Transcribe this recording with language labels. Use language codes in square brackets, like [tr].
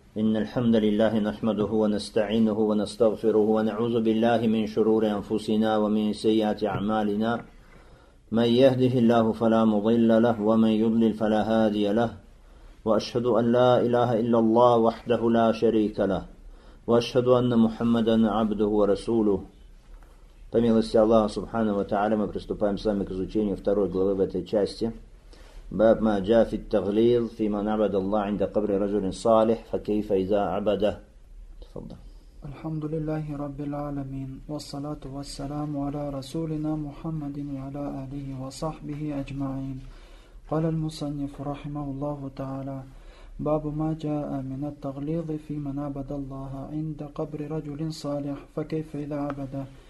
[ar] إن الحمد لله نحمده ونستعينه ونستغفره ونعوذ بالله من شرور أنفسنا ومن سيئات أعمالنا، من يهده الله فلا مضل له ومن يضلل فلا هادي له، وأشهد أن لا إله إلا الله وحده لا شريك له، وأشهد أن محمدا عبده ورسوله. [ru] По милости Аллаха Субхана ва Тааля мы приступаем с вами к изучению второй главы в этой части. [ar] باب ما جاء في التغليظ في من عبد الله عند قبر رجل صالح فكيف إذا عبده. تفضل. الحمد لله رب العالمين والصلاة والسلام على رسولنا محمد وعلى آله وصحبه أجمعين. قال المصنف رحمه الله تعالى: باب ما جاء من التغليظ في من عبد الله عند قبر رجل صالح فكيف إذا عبده.